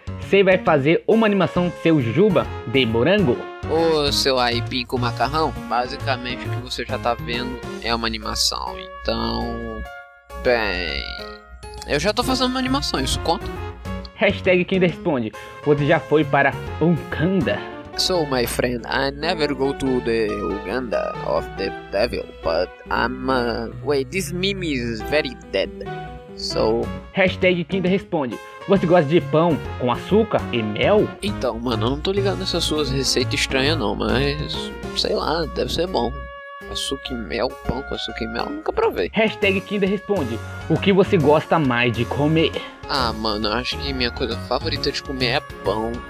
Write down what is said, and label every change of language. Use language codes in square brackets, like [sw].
[pt] Você vai fazer uma animação seu juba de morango? Ô, seu aipim com macarrão, basicamente o que você já tá vendo é uma animação. Então, bem, eu já tô fazendo uma animação, isso conta? Hashtag Kinda responde. Você já foi para Uganda? [en] So, my friend, I never go to the Uganda of the devil, but I'm, wait, this meme is very dead, so... [pt] Hashtag Kinda responde. Você gosta de pão com açúcar e mel? Então, mano, eu não tô ligado nessas suas receitas estranhas não, mas, sei lá, deve ser bom. Açúcar e mel, pão com açúcar e mel, nunca provei. Hashtag Kinda responde. O que você gosta mais de comer? Ah, mano, eu acho que minha coisa favorita de comer é pão.